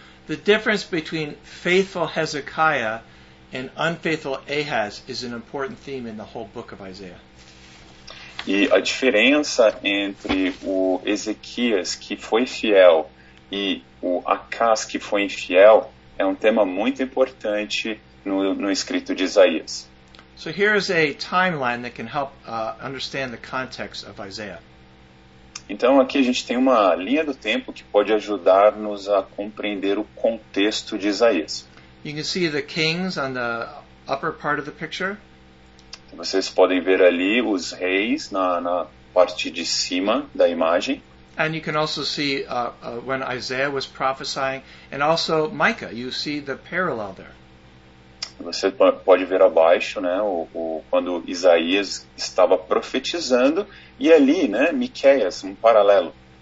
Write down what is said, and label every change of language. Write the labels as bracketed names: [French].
[English] The difference between faithful Hezekiah and unfaithful Ahaz is an important theme in the whole book of Isaiah. [Portuguese] E a diferença entre o Ezequias, que foi fiel, e o Acaz, que foi infiel, é um tema muito importante no escrito de Isaías. [English] So here's a timeline that can help understand the context of Isaiah. [Portuguese] Então aqui a gente tem uma linha do tempo que pode ajudar-nos a compreender o contexto de Isaías. [English] You can see the kings on the upper part of the picture. [Portuguese] Vocês podem ver ali os reis na parte de cima da imagem. [English] And you can also see when Isaiah was prophesying, and also Micah, you see the parallel there. [Portuguese] Você pode ver abaixo, né, quando Isaías estava profetizando, e ali, né, Miqueias, um paralelo.